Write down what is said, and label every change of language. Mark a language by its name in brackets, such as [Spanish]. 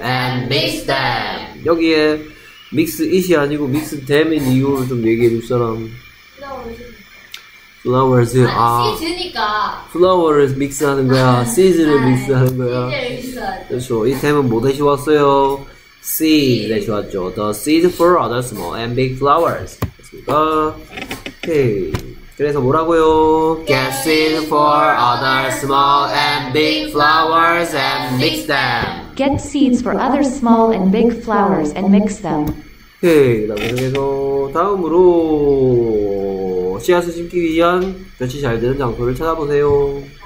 [English] And mix them. [Korean] 여기에 mix it이 아니고 mix them인 이유를 좀 얘기해 줄 사람. Flowers. 아, 아 시즈니까. Flowers 믹스하는 거야. 시즈를 믹스하는 거야. 시즈를 그렇죠. 이 템은 뭐 대신 왔어요? Seed 대신 왔죠. [English] The seed for other small and big flowers. [Korean] 됐습니다. 오케이. 그래서 뭐라고요? [English] Get seed for other small and big flowers and mix them. Get seeds for other small and big flowers and mix them. [Korean] 오케이. 그래서 다음으로 씨앗을 심기 위한 볕이 잘 드는 장소를 찾아보세요.